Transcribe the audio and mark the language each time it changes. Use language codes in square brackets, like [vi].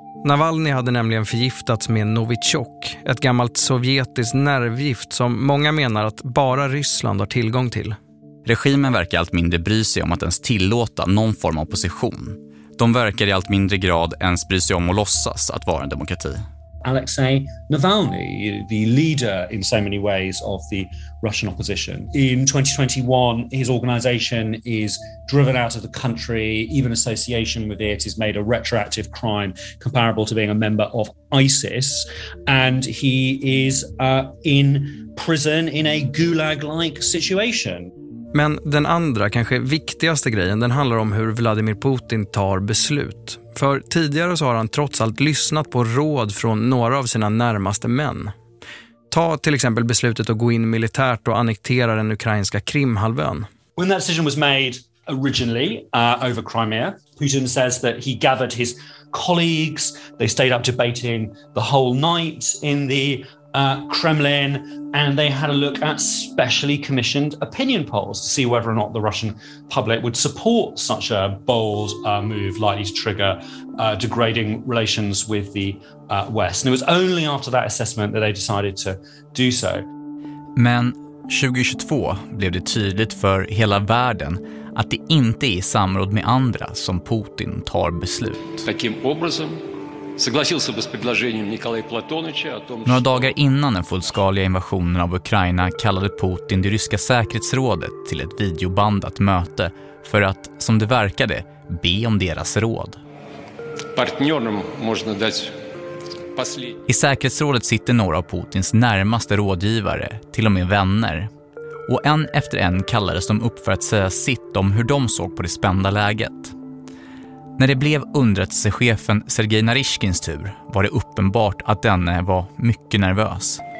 [sv] Navalny hade nämligen förgiftats med Novichok, ett gammalt sovjetiskt nervgift som många menar att bara Ryssland har tillgång till. Regimen verkar allt mindre bry sig om att ens tillåta någon form av opposition. De verkar i allt mindre grad ens bry sig om att låtsas att vara en demokrati. [en] Alexei Navalny, the leader in so many ways of the Russian opposition. In 2021, his organization is driven out of the country. Even association with it is made a retroactive crime comparable to being a member of ISIS. And he is in prison in a gulag-like situation. [sv] Men den andra, kanske viktigaste grejen, den handlar om hur Vladimir Putin tar beslut. För tidigare så har han trots allt lyssnat på råd från några av sina närmaste män. Ta till exempel beslutet att gå in militärt och annektera den ukrainska Krimhalvön. [en] When that decision was made originally over Crimea, Putin says that he gathered his colleagues, they stayed up debating the whole night in the Kremlin, and they had a look at specially commissioned opinion polls to see whether or not the Russian public would support such a bold move likely to trigger degrading relations with the West. And it was only after that assessment that they decided to do so. [sv] Men 2022 blev det tydligt för hela världen att det inte är i samråd med andra som Putin tar beslut. [ru] Таким образом согласился бы с предложением Николая Платоновича о том. [sv] Några dagar innan den fullskaliga invasionen av Ukraina kallade Putin det ryska säkerhetsrådet till ett videobandat möte för att, som det verkade, be om deras råd. [ru] Партнёрам можно дать последний. [sv] I säkerhetsrådet sitter några av Putins närmaste rådgivare, till och med vänner. Och en efter en kallades de upp för att säga sitt om hur de såg på det spända läget. När det blev underrättelsechefen Sergej Narishkins tur var det uppenbart att denne var mycket nervös.